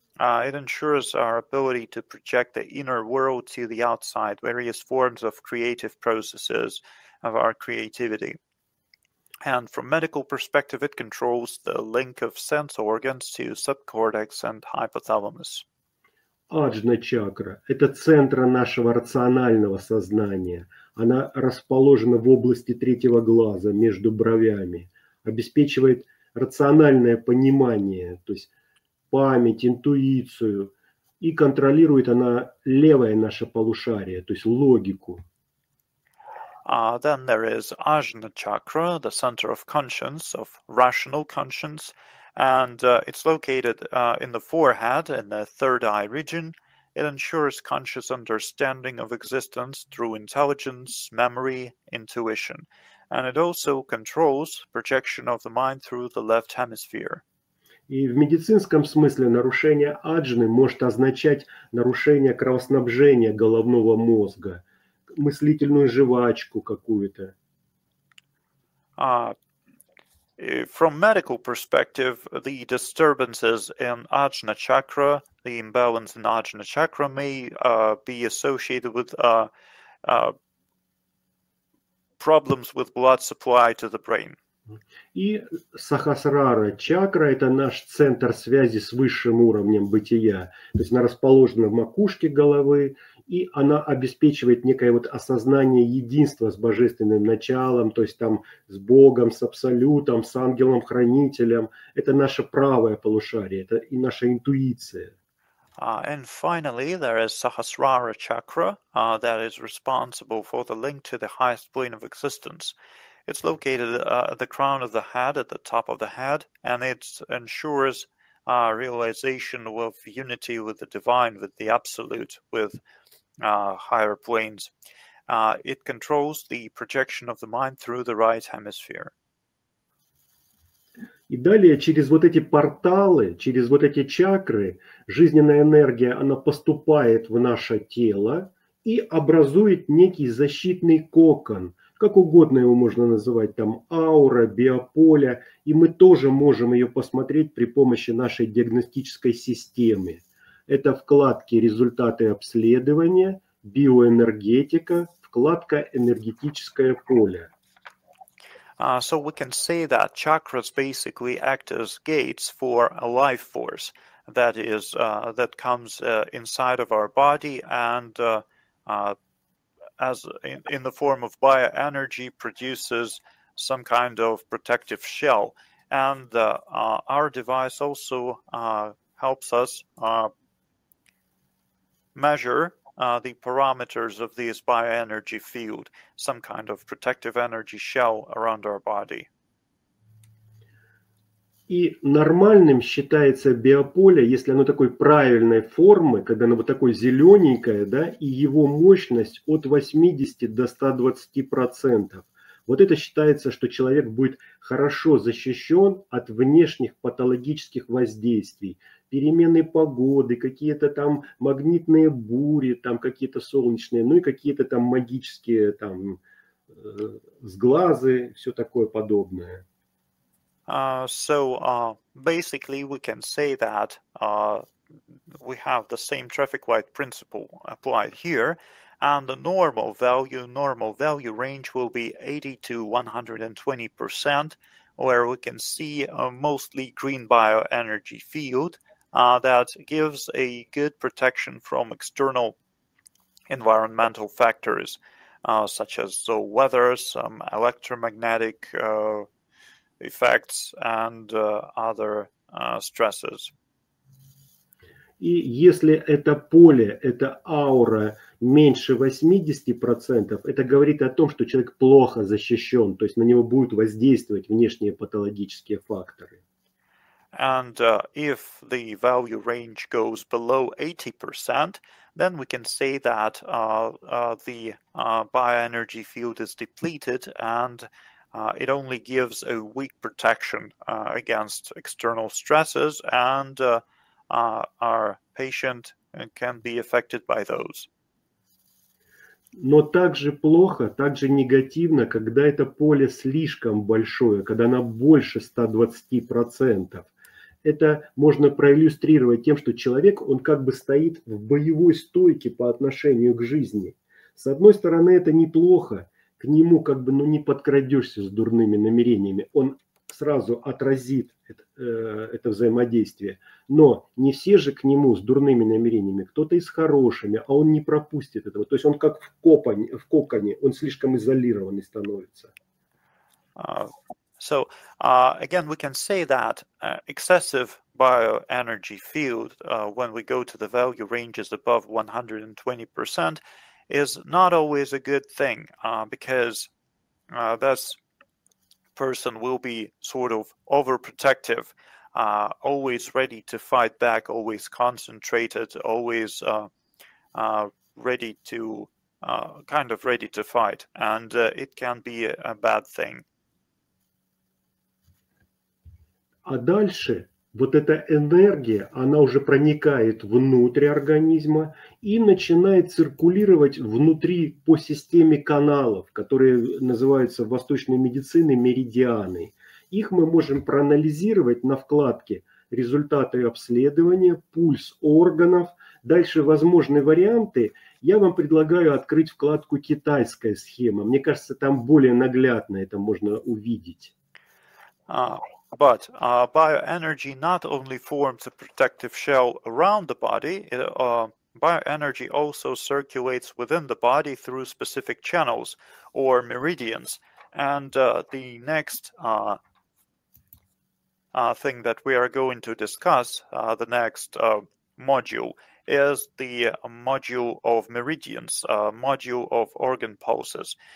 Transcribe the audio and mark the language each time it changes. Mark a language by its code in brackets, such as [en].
[en] It ensures our ability to project the inner world to the outside, various forms of creative processes of our creativity. And from medical perspective, it controls the link of sense organs to subcortex and hypothalamus. [ru] Аджна чакра – это центр нашего рационального сознания. Она расположена в области третьего глаза, между бровями. Обеспечивает рациональное понимание, то есть память, интуицию. И контролирует она левое наше полушарие, то есть логику. [en] Then there is Ajna chakra, the center of conscience, of rational conscience, and it's located in the forehead, in the third eye region. It ensures conscious understanding of existence through intelligence, memory, intuition, and it also controls projection of the mind through the left hemisphere. [ru] И в медицинском смысле нарушение Аджны может означать нарушение кровоснабжения головного мозга. Мыслительную жвачку какую-то. [en] From medical perspective, the disturbances in Ajna chakra, the imbalance in Ajna chakra may be associated with problems with blood supply to the brain. [ru] И Сахасрара чакра – это наш центр связи с высшим уровнем бытия. То есть она расположена в макушке головы, и она обеспечивает некое вот осознание единства с божественным началом, то есть там с Богом, с Абсолютом, с ангелом-хранителем. Это наше правое полушарие, это и наша интуиция. [en] And finally, there is Sahasrara chakra that is responsible for the link to the highest plane of existence. It's located at the crown of the head, at the top of the head, and it ensures realization of unity with the divine, with the absolute, with higher planes. It controls the projection of the mind through the right hemisphere. [ru] И далее через вот эти порталы, через вот эти чакры, жизненная энергия, она поступает в наше тело и образует некий защитный кокон. Как угодно его можно называть, там аура, биополе. И мы тоже можем ее посмотреть при помощи нашей диагностической системы. Это вкладки «Результаты обследования», «Биоэнергетика», вкладка «Энергетическое поле». [en] So we can say that chakras basically act as gates for a life force that is that comes inside of our body and as in the form of bioenergy produces some kind of protective shell. And our device also helps us measure the parameters of this bioenergy field, some kind of protective energy shell around our body. [ru] И нормальным считается биополе, если оно такой правильной формы, когда оно вот такое зелененькое, да, и его мощность от 80 до 120%. Вот это считается, что человек будет хорошо защищен от внешних патологических воздействий. Перемены погоды, какие-то там магнитные бури, там какие-то солнечные, ну и какие-то там магические там сглазы, все такое подобное. [en] Basically we can say that we have the same traffic light principle applied here, and the normal value range will be 80 to 120%, where we can see a mostly green bioenergy field that gives a good protection from external environmental factors, such as the weather, some electromagnetic effects and other stresses. [ru] И если это поле, это аура меньше 80%, это говорит о том, что человек плохо защищен, то есть на него будут воздействовать внешние патологические факторы. [en] And if the value range goes below 80%, then we can say that the bioenergy field is depleted and it only gives a weak protection against external stresses, and our patient can be affected by those. [ru] Но также плохо, также негативно, когда это поле слишком большое, когда оно больше 120%. Это можно проиллюстрировать тем, что человек, он как бы стоит в боевой стойке по отношению к жизни. С одной стороны, это неплохо, к нему как бы, ну, не подкрадешься с дурными намерениями. Он сразу отразит это взаимодействие. Но не все же к нему с дурными намерениями, кто-то и с хорошими, а он не пропустит этого. То есть он как в коконе, он слишком изолированный становится. [en] Again, we can say that excessive bioenergy field, when we go to the value ranges above 120%, is not always a good thing, because this person will be sort of overprotective, always ready to fight back, always concentrated, always ready to fight, and it can be a bad thing. [ru] А дальше вот эта энергия, она уже проникает внутрь организма и начинает циркулировать внутри по системе каналов, которые называются в восточной медицине меридианы. Их мы можем проанализировать на вкладке «Результаты обследования», «Пульс органов». Дальше возможные варианты. Я вам предлагаю открыть вкладку «Китайская схема». Мне кажется, там более наглядно это можно увидеть. [en] But bioenergy not only forms a protective shell around the body, bioenergy also circulates within the body through specific channels or meridians. And the next thing that we are going to discuss, the next module, is the module of meridians, module of organ pulses.